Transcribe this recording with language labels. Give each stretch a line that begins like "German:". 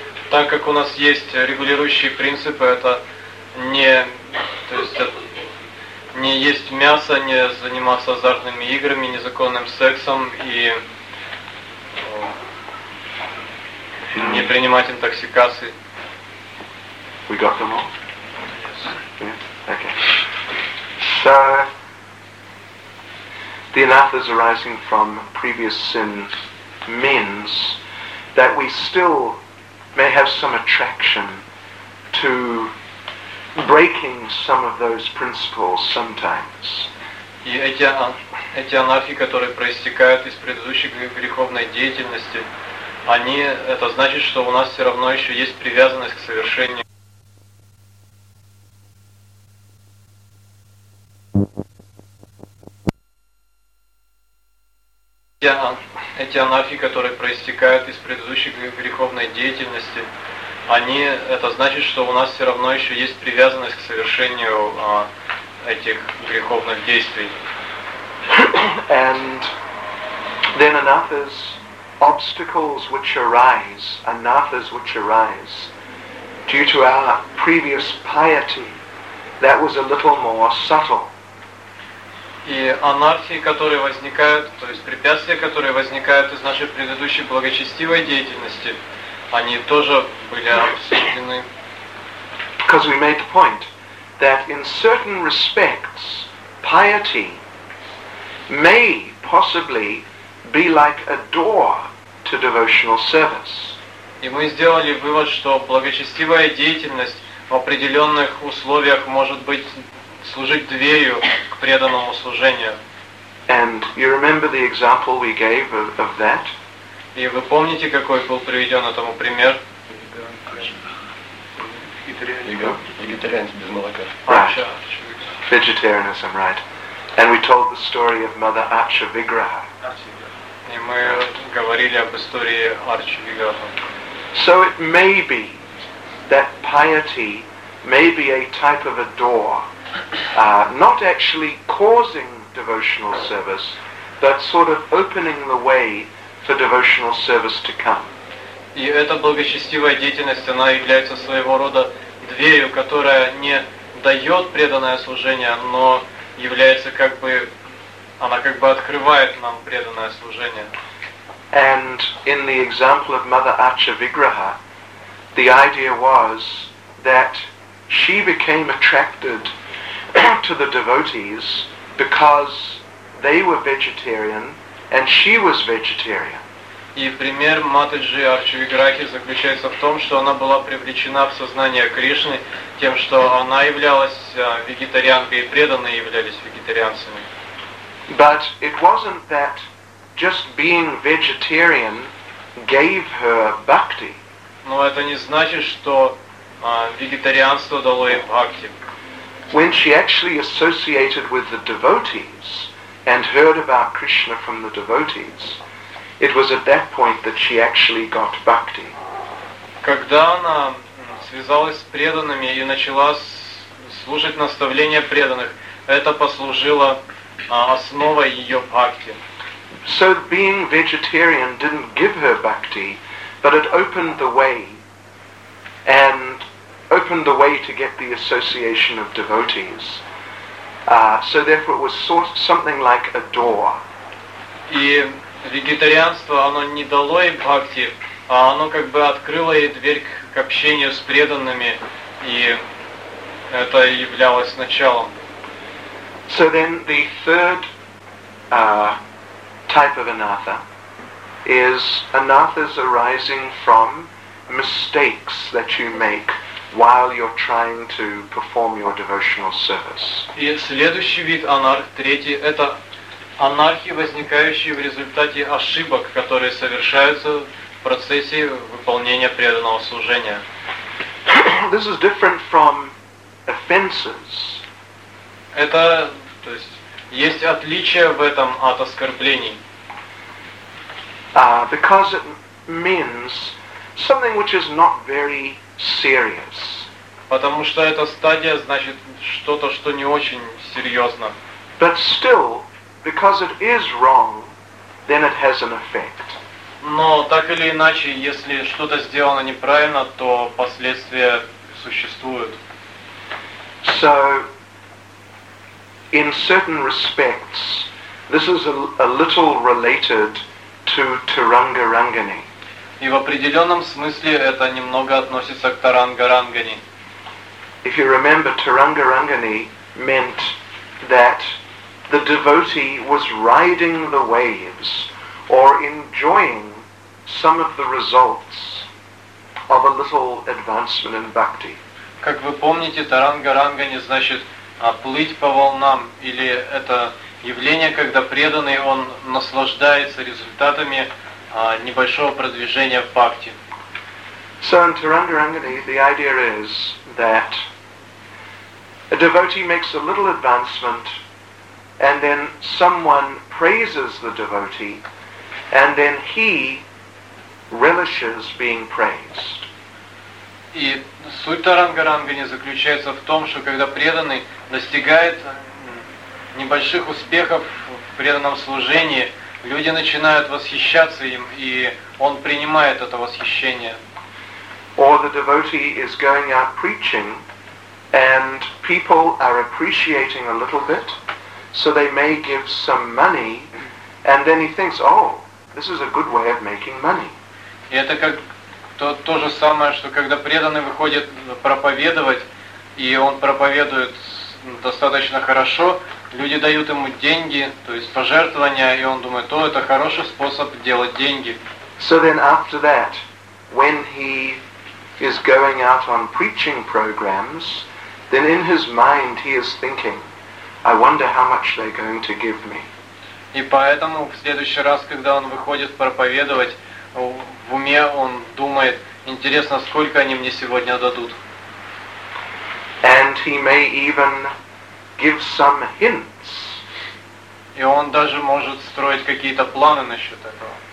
Russian: Так как у нас есть регулирующие принципы, это не есть мясо, не заниматься азартными играми, незаконным сексом и не принимать интоксикации.
English: We got them all? Yes. Yeah? Okay. So the anathas arising from previous sins means that we still may have some attraction to breaking some of those principles sometimes.
Russian: И эти анархи, которые проистекают из предыдущей греховной деятельности, они это значит, что у нас все равно еще есть привязанность к совершению. Эти анархи, которые проистекают из предыдущей греховной деятельности, они это значит, что у нас все равно еще есть привязанность к совершению этих греховных действий.
English: And then anathas, obstacles which arise, due to our previous piety, that was a little more subtle.
Russian: И анархии, которые возникают, то есть препятствия, которые возникают из нашей предыдущей благочестивой деятельности, они тоже были обсуждены.
English: Because we made the point that in certain respects piety may possibly be like a door to devotional service.
Russian: И мы сделали вывод, что благочестивая деятельность в определенных условиях может быть служить дверью к преданному служению.
English: And you remember the example we gave of that?
Russian: И вы помните, какой был приведен этому пример? Вегетарианец без молока.
English: Right. Vegetarianism, right. And we told the story of Mother Archa Vigraha.
Russian: И мы говорили об истории Арчи Виграха.
English: So it may be that piety may be a type of a door, not actually causing devotional service, but sort of opening the way for devotional service to come.
Russian: И эта благочестивая деятельность, она является своего рода дверью, которая не дает преданное служение, но является как бы, она как бы открывает нам преданное служение.
English: And in the example of Mother Archavigraha, the idea was that she became attracted to the devotees because they were vegetarian and she was vegetarian.
Russian: И пример Матаджи Арчавиграхи заключается в том, что она была привлечена в сознание Кришны тем, что она являлась вегетарианкой, и преданные являлись вегетарианцами.
English: But it wasn't that just being vegetarian gave her bhakti.
Russian: Но это не значит, что вегетарианство дало ей бхакти.
English: When she actually associated with the devotees and heard about Krishna from the devotees, it was at that point that she actually got bhakti.
Russian: Когда она связалась с преданными и начала слушать наставления преданных, это послужило основой ее бхакти.
English: So being vegetarian didn't give her bhakti, but it opened the way, and opened the way to get the association of devotees. So therefore it was sort of something like a door.
Russian: И вегетарианство, оно не дало ей бхакти, а оно как бы открыло ей дверь к общению с преданными, и это являлось началом.
English: So then the third type of anatha is anathas arising from mistakes that you make while you're trying to perform your devotional service.
Russian: И следующий вид анарх, третий, это анархии, возникающие в результате ошибок, которые совершаются в процессе выполнения преданного служения.
English: This is different from offenses.
Russian: Это, то есть, есть отличие в этом от оскорблений.
English: Because it means something which is not very serious.
Russian: Потому что эта стадия значит что-то, что не очень серьезно.
English: But still, because it is wrong, then it has an effect.
Russian: Но так или иначе, если что-то сделано неправильно, то последствия существуют.
English: So, in certain respects, this is a little related to Taranga Rangani.
Russian: И в определенном смысле это немного относится к Таранга Рангани.
English: If you remember, Taranga Rangani meant that the devotee was riding the waves or enjoying some of the results of a little advancement in bhakti.
Russian: Как вы помните, Таранга Рангани значит плыть по волнам, или это явление, когда преданный, он наслаждается результатами небольшого продвижения в бхакти.
English: So in Taranga Rangani, the idea is that a devotee makes a little advancement, and then someone praises the devotee, and then he relishes being praised.
Russian: И суть Таранга Рангани заключается в том, что когда преданный достигает небольших успехов в преданном служении, люди начинают восхищаться им, и он принимает это восхищение.
English: Or the devotee is going out preaching, and people are appreciating a little bit, so they may give some money, and then he thinks, oh, this is a good way of making money.
Russian: И это как то же самое, что когда преданный выходит проповедовать, и он проповедует достаточно хорошо, люди дают ему деньги, то есть пожертвования, и он думает, о, это хороший способ делать деньги.
English: So then after that, when he is going out on preaching programs, then in his mind he is thinking, I wonder how much they're going to give me.
Russian: И поэтому в следующий раз, когда он выходит проповедовать, в уме он думает, интересно, сколько они мне сегодня дадут.
English: And he may even give some hints.
Russian: И он даже может строить какие-то планы насчет этого.